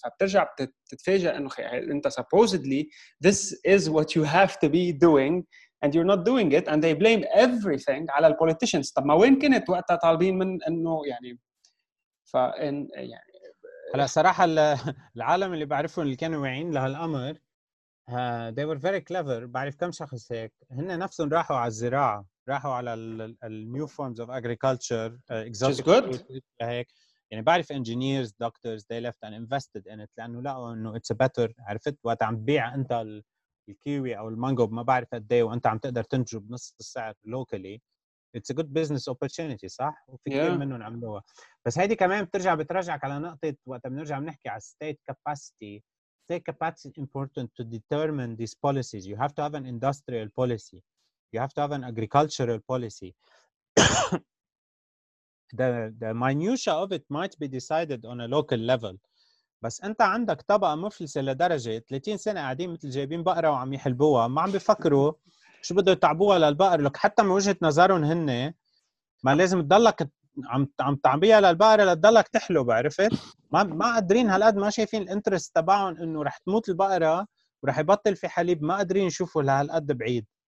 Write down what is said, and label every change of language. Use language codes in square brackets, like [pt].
[ar] فبترجع بتتفاجئ انه انت سبوزدلي [en] this is what you have to be doing and you're not doing it and they blame everything [ar] على البوليتيشنز. طب ما وين كنت وقتها طالبين من انه يعني فان يعني هلا صراحه العالم اللي بعرفهم اللي كانوا واعيين لهالامر [en] they were very clever. [ar] بعرف كم شخص هيك هن نفسهم راحوا على الزراعه، راحوا على ال [en] new forms of agriculture exotic good. [ar] هيك يعني بعرف [en] engineers doctors they left and invested in it [ar] لانه لقوا انه [en] it's a better، [ar] عرفت وقت عم تبيع انت الكيوي او المانجو ما بعرف قد ايه وانت عم تقدر تنتجه بنص السعر [en] locally it's a good business opportunity [ar] صح، وفي كثير منهم عملوها. بس هيدي كمان بترجعك على نقطه وقت بنرجع بنحكي على state capacity. [en] State capacity is important to determine these policies. You have to have an industrial policy. You have to have an agricultural policy. The minutia of it might be decided on a local level. [ar] بس انت عندك طبقة مفلسة لدرجة 30 سنة قاعدين مثل جايبين بقرة وعم يحلبوها، ما عم بيفكروا شو بده يتعبوها للبقر. لك حتى من وجهة نظرهم هن ما لازم تضلك عم تعبيها للبقرة لتضلك تحلو، بعرفت؟ ما قادرين هالقد، ما شايفين الانترست تبعهم انه رح تموت البقرة ورح يبطل في حليب، ما قادرين يشوفوا لهالقد بعيد.